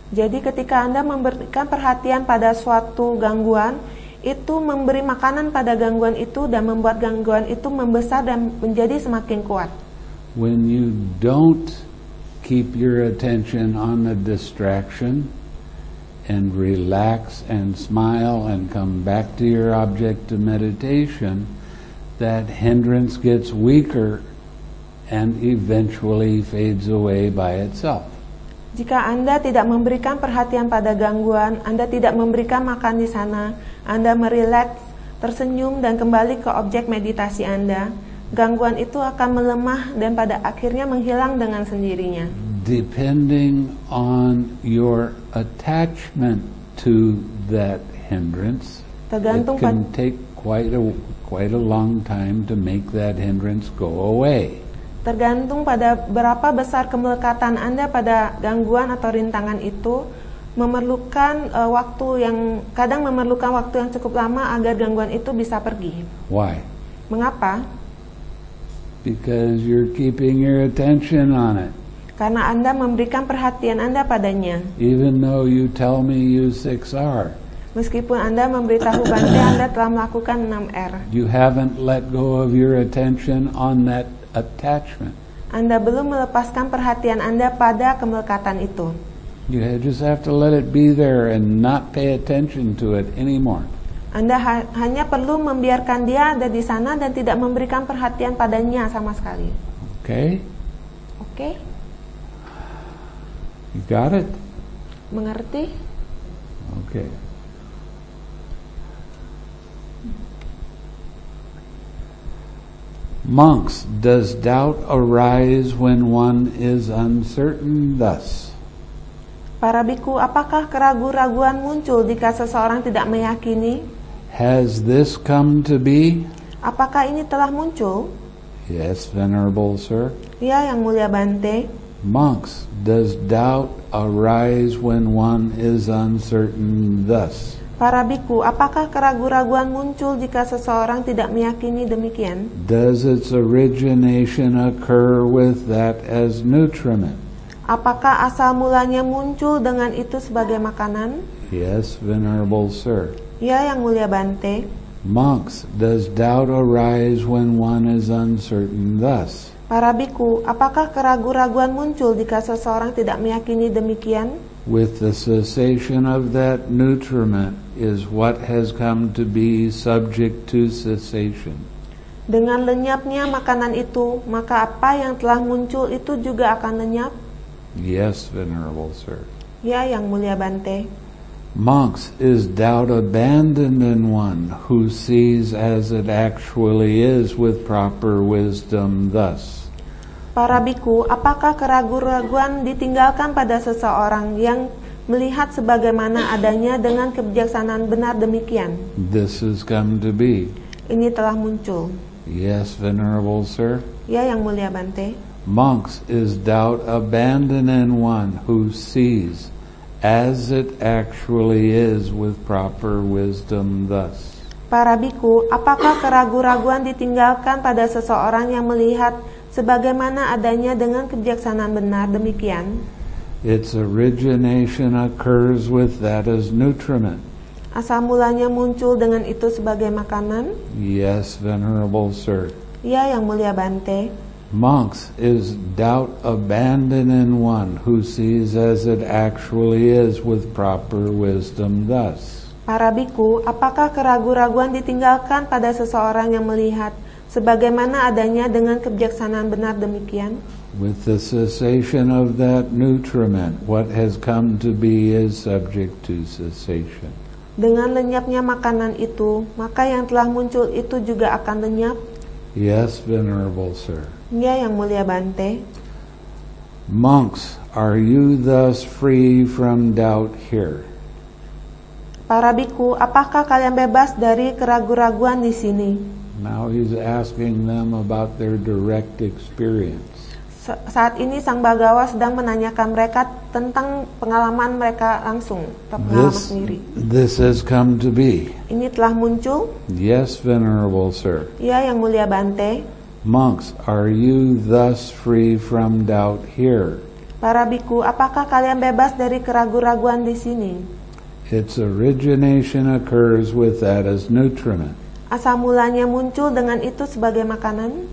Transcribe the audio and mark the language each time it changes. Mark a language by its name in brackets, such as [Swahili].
[Indonesian] Jadi ketika Anda memberikan perhatian pada suatu gangguan, itu memberi makanan pada gangguan itu dan membuat gangguan itu membesar dan menjadi semakin kuat. [English] When you don't keep your attention on the distraction and relax and smile and come back to your object of meditation, that hindrance gets weaker and eventually fades away by itself. [Indonesian] Jika Anda tidak memberikan perhatian pada gangguan, Anda tidak memberikan makan di sana, Anda merileks, tersenyum dan kembali ke objek meditasi Anda, gangguan itu akan melemah dan pada akhirnya menghilang dengan sendirinya. [English] Depending on your attachment to that hindrance, [Indonesian] tergantung [English] it can take quite a long time to make that hindrance go away. [Indonesian] Tergantung pada berapa besar kemelekatan Anda pada gangguan atau rintangan itu, memerlukan waktu yang cukup lama agar gangguan itu bisa pergi. [English] Why? [Indonesian] Mengapa? [English] Because you're keeping your attention on it. [Indonesian] Karena Anda memberikan perhatian Anda padanya. [English] Even though you tell me you 6R. [Indonesian] Meskipun Anda memberitahu Bante Anda telah melakukan 6R. [English] You haven't let go of your attention on that attachment. [Indonesian] Anda belum melepaskan perhatian Anda pada kemelekatan itu. [English] You just have to let it be there and not pay attention to it anymore. [Indonesian] Anda hanya perlu membiarkan dia ada di sana dan tidak memberikan perhatian padanya sama sekali. [English] Okay. Okay. You got it? [Indonesian] Mengerti? [English] Okay. Monks, does doubt arise when one is uncertain thus? [Indonesian] Para bhikkhu, apakah keraguan-keraguan muncul jika seseorang tidak meyakini? [English] Has this come to be? [Indonesian] Apakah ini telah muncul? [English] Yes, venerable sir. [Indonesian] Ya, Yang Mulia Bante. [English] Monks, does doubt arise when one is uncertain thus? [Indonesian] Para bhikkhu, apakah keraguan-keraguan muncul jika seseorang tidak meyakini demikian? [English] Does its origination occur with that as nutriment? [Indonesian] Apakah asal mulanya muncul dengan itu sebagai makanan? [English] Yes, venerable sir. [Indonesian] Ya, Yang Mulia Bante. [English] Monks, does doubt arise when one is uncertain thus? [Indonesian] Para bhikkhu, apakah keraguan-keraguan muncul jika seseorang tidak meyakini demikian? [English] With the cessation of that nutriment is what has come to be subject to cessation. [Indonesian] Dengan lenyapnya makanan itu, maka apa yang telah muncul itu juga akan lenyap? [English] Yes, venerable sir. [Indonesian] Ya, Yang Mulia Bante. [English] Monks, is doubt abandoned in one who sees as it actually is with proper wisdom thus? [Indonesian] Para bhikkhu, apakah keraguan-keraguan ditinggalkan pada seseorang yang melihat sebagaimana adanya dengan kebijaksanaan benar demikian? [English] This has come to be. [Indonesian] Ini telah muncul. [English] Yes, venerable sir. [Indonesian] Ya, Yang Mulia Bante. [English] Monks, is doubt abandoned in one who sees as it actually is with proper wisdom thus? [Indonesian] Para bhikkhu, apakah keraguan-keraguan ditinggalkan pada seseorang yang melihat sebagaimana adanya dengan kebijaksanaan benar demikian? [English] Its origination occurs with that as nutriment. [Indonesian] Asal mulanya muncul dengan itu sebagai makanan? [English] Yes, venerable sir. [Indonesian] Ya, Yang Mulia Bante. [English] Monks, is doubt abandoned in one who sees as it actually is with proper wisdom thus? [Indonesian] Para bhikkhu, apakah keraguan-keraguan ditinggalkan pada seseorang yang melihat sebagaimana adanya dengan kebijaksanaan benar demikian? [English] with the cessation of that nutriment, what has come to be is subject to cessation. [Indonesian] Dengan lenyapnya makanan itu, maka yang telah muncul itu juga akan lenyap. [English] Yes, venerable sir. [Indonesian] Ya, yang mulia Bante. [English] Monks, are you thus free from doubt here? [Indonesian] Para bhikkhu, apakah kalian bebas dari keraguan-raguan di sini? [English] Now he's asking them about their direct experience. [Indonesian] Saat ini Sang Bhagava sedang menanyakan mereka tentang pengalaman mereka langsung, pengalaman sendiri. [English] This has come to be. [Indonesian] Ini telah muncul? [English] Yes, venerable sir. [Indonesian] Ya, yang mulia Bante. [English] Monks, are you thus free from doubt here? [Indonesian] Para bhikkhu, apakah kalian bebas dari keraguan-raguan di sini? [English] Its origination occurs with that as nutriment. [Indonesian] Asal mulanya muncul dengan itu sebagai makanan?